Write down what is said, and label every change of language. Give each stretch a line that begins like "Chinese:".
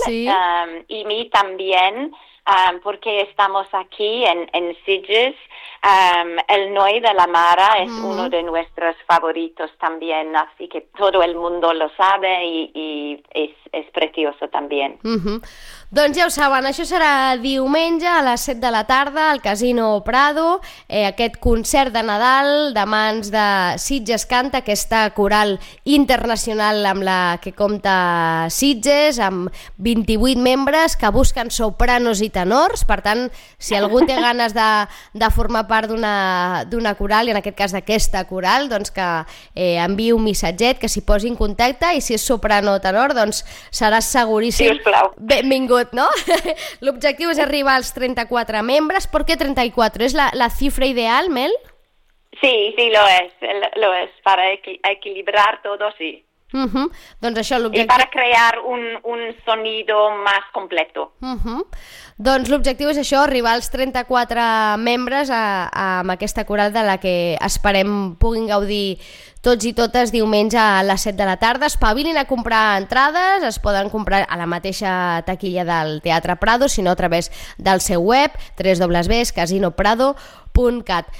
Spanish: Sí. y mí también, porque estamos aquí en Sitges, el Noi de la Mara es uno de nuestros favoritos también, así que todo el mundo lo sabe y es precioso también.
Catalan: Doncs ja ho saben, això serà diumenge a les 7 de la tarda al Casino Prado, aquest concert de Nadal de mans de Sitges Canta, aquesta coral internacional amb la que compta Sitges, amb 28 membres que busquen sopranos i tenors. Per tant, si algú té ganes de formar part d'una coral, i en aquest cas d'aquesta coral, doncs que enviï un missatget, que s'hi posi en contacte, i si és soprano o tenor, doncs serà seguríssim. Sisplau. Benvingut, no? L'objectiu és arribar als 34 membres. Per què 34? És la xifra ideal, Mel?
Spanish: Sí, lo es. Para equilibrar todo, sí.
Catalan: Uh-huh. Doncs això, l'objectiu...
Spanish: I para crear un sonido más completo. Uh-huh.
Catalan: Doncs l'objectiu és això, arribar als 34 membres amb aquesta coral de la que esperem puguin gaudir tots i totes diumenge a les 7 de la tarda. Espavilin a comprar entrades, es poden comprar a la mateixa taquilla del Teatre Prado, sinó a través del seu web, www.casinoprado.cat.